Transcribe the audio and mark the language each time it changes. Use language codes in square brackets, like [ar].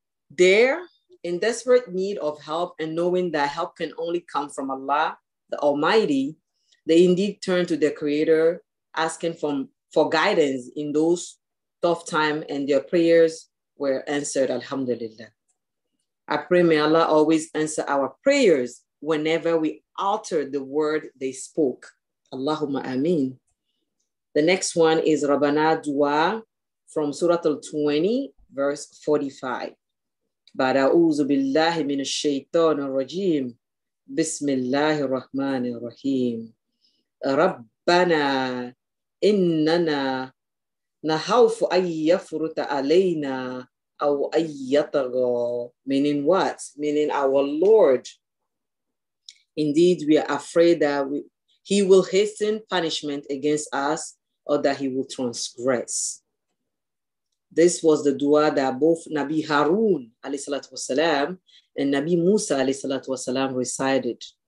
[en] There, in desperate need of help and knowing that help can only come from Allah, the Almighty, they indeed turn to their Creator, asking for guidance in those tough times, and their prayers were answered, Alhamdulillah. I pray may Allah always answer our prayers whenever we utter the word they spoke. Allahumma ameen. The next one is Rabbana Dua from Surah Al-20, verse 45. [ar] بعد أعوذ بالله من الشيطان الرجيم بسم الله الرحمن الرحيم ربنا إننا نخاف أن يفرط علينا أو أن يطغى. [en] Meaning what? Meaning our Lord. Indeed, we are afraid that he will hasten punishment against us or that he will transgress. This was the dua that both Nabi Harun alayhi salatu wasalam, and Nabi Musa alayhi salatu wasalam, recited.